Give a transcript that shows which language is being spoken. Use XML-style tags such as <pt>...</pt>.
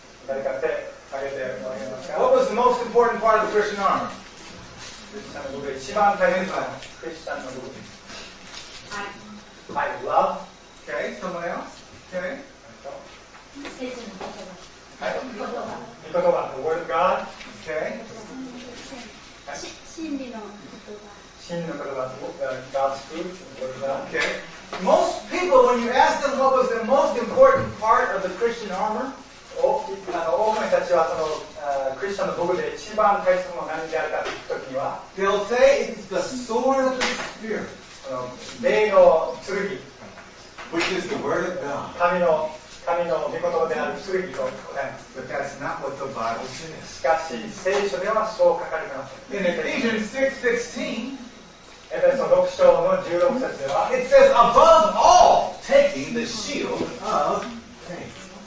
<ja>誰か手を挙げてもらえますか？</ja> <en>What was the most important part of the Christian armor?</en> <ja>クリスチャンのルールで一番大切なのはクリスチャンのルールです。愛。愛、love。</ja> <en>Okay, someone else? Okay.</en> <ja>御言葉、</ja> <en>The Word of God、 okay.</en> <ja>真理の言葉、真理の言葉、</ja> <en>God's Truth、Word of God、</en> <ja>okay.</ja> <en>Most people, when you ask them what was the most important part of the Christian armor,</en> <ja>多くの人たちはその、クリスチャンの武具で一番大切なものは何であるかと聞くときには、</ja> <en>They'll say it's the sword of the Spirit、</en> <ja>霊の剣、</ja> <en>which is the Word of God、</en> <ja>神の御言葉である剣と答えます。</ja> <en>But that's not what the Bible says.</en> <ja>しかし、聖書ではそう書かれてます。</ja> <en>In Ephesians 6:16,</en> <ja>エペソ6章の16節では、</ja> <en>It says, above all, taking the shield of faith.</en>